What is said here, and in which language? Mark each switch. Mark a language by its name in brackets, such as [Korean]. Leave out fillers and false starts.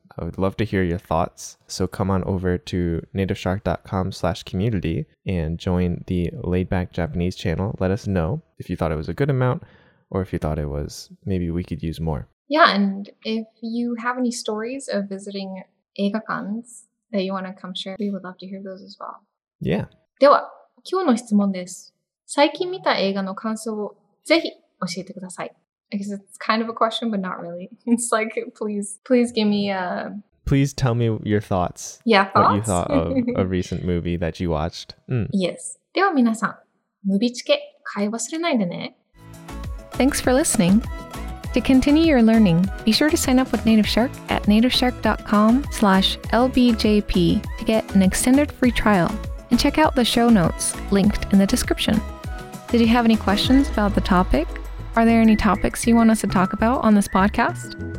[English] I would love to hear your thoughts. So come on over to nativeshark.com/community and join the Laidback Japanese channel. Let us know if you thought it was a good amount or if you thought it was maybe we could use more. Yeah, and if you have any stories of visiting 映画館 that you want to come share, we would love to hear those as well. Yeah. [Japanese] では、今日の質問です。最近見た映画の感想をぜひ教えてください。 [English] I guess it's kind of a question, but not really. It's like, please give me a... Please tell me your thoughts. Yeah, thoughts? What you thought of a recent movie that you watched. Yes. [Japanese] では皆さん、ムビチケ買い忘れないでね。 [English] Thanks for listening. To continue your learning, be sure to sign up with Native Shark at nativeshark.com/lbjp to get an extended free trial and check out the show notes linked in the description. Did you have any questions about the topic? Are there any topics you want us to talk about on this podcast?